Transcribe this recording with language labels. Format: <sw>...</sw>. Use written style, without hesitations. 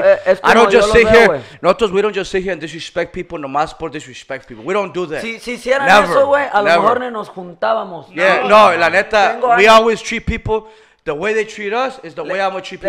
<en>We don't just sit here and disrespect people</en> <es>nomás por</es> <en>disrespect people. We don't do that.</en> <es>Si hicieran eso, güey, a lo mejor ni nos juntábamos.</es> <en>Yeah, no,</en> <es>la neta,</es> <en>we always treat people the way they treat us is the way I'm gonna treat you.</en>